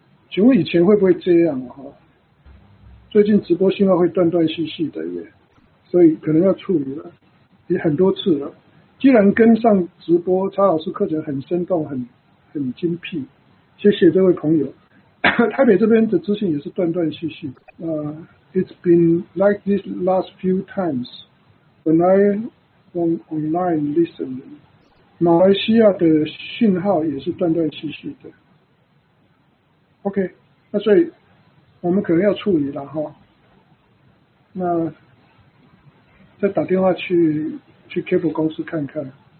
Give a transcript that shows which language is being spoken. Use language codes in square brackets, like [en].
[zh] 请问以前会不会这样哈？最近直播信号会断断续续的耶，所以可能要处理了，也很多次了。既然跟上直播，曹老师课程很生动，很精辟，谢谢这位朋友。台北这边的资讯也是断断续续的。 [en] It's been like this last few times. When I went online listening, [zh] 马来西亚的讯号也是断断续续的。 OK, 那所以我们可能要处理了哈。那再打电话去 cable 公司看看。